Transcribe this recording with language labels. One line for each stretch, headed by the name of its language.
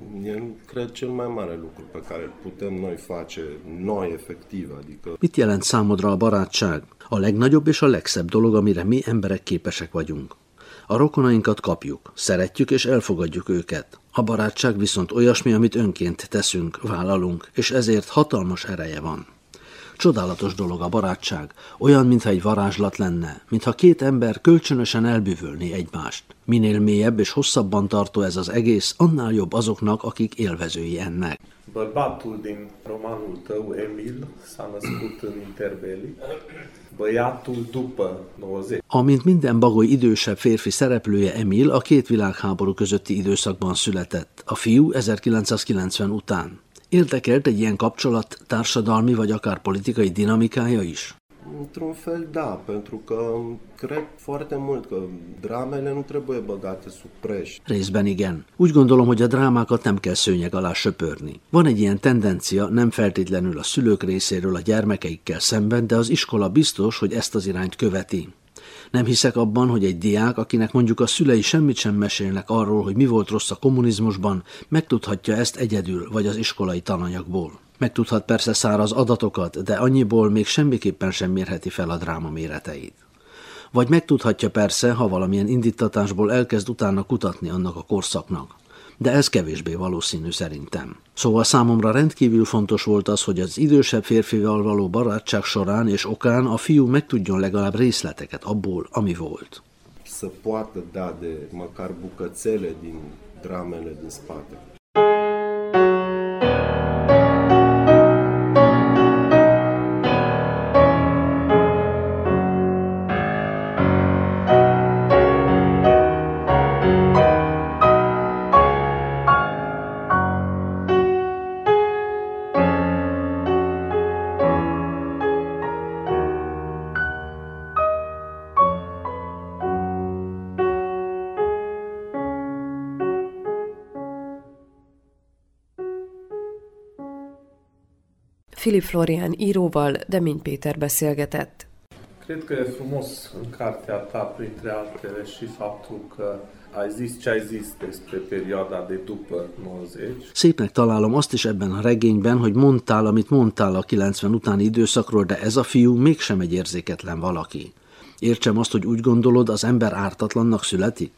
Romanian: Eu cred cel mai mare lucru pe care putem noi face noi efectiv, adică...
Hungarian: Mit jelent számodra a barátság? A legnagyobb és a legszebb dolog, amire mi emberek képesek vagyunk. A rokonainkat kapjuk, szeretjük és elfogadjuk őket. A barátság viszont olyasmi, amit önként teszünk, vállalunk, és ezért hatalmas ereje van. Csodálatos dolog a barátság, olyan, mintha egy varázslat lenne, mintha két ember kölcsönösen elbűvölné egymást. Minél mélyebb és hosszabban tartó ez az egész, annál jobb azoknak, akik élvezői ennek.
Romanian: Bărbatul din romanul tău, Emil, s-a născut în interbeli. Băiatul după 90.
Hungarian: Amint minden bagoly idősebb férfi szereplője Emil a két világháború közötti időszakban született, a fiú 1990 után. Érdekelt egy ilyen kapcsolat társadalmi vagy akár politikai dinamikája is?
Romanian: Într-un fel da, pentru că cred foarte mult că dramele nu trebuie băgate sub preș.
Hungarian: Részben igen. Úgy gondolom, hogy a drámákat nem kell szőnyeg alá söpörni. Van egy ilyen tendencia, nem feltétlenül a szülők részéről a gyermekeikkel szemben, de az iskola biztos, hogy ezt az irányt követi. Nem hiszek abban, hogy egy diák, akinek mondjuk a szülei semmit sem mesélnek arról, hogy mi volt rossz a kommunizmusban, megtudhatja ezt egyedül vagy az iskolai tananyagból. Megtudhat persze száraz adatokat, de annyiból még semmiképpen sem mérheti fel a dráma méreteit. Vagy megtudhatja persze, ha valamilyen indítatásból elkezd utána kutatni annak a korszaknak. De ez kevésbé valószínű szerintem. Szóval számomra rendkívül fontos volt az, hogy az idősebb férfival való barátság során és okán a fiú megtudjon legalább részleteket abból, ami volt.
Romanian: Să poată da de măcar bucățele din dramele din spate.
Hungarian: Philip Florian íróval, Demény Péter beszélgetett.
Romanian: Cred că e frumos în cartea ta, printre altele, și faptul că ai zis ce ai zis despre perioada de după 90.
Hungarian: Szépnek találom azt is ebben a regényben, hogy mondtál, amit mondtál a 90 utáni időszakról, de ez a fiú mégsem egy érzéketlen valaki. Értsem azt, hogy úgy gondolod, az ember ártatlannak születik?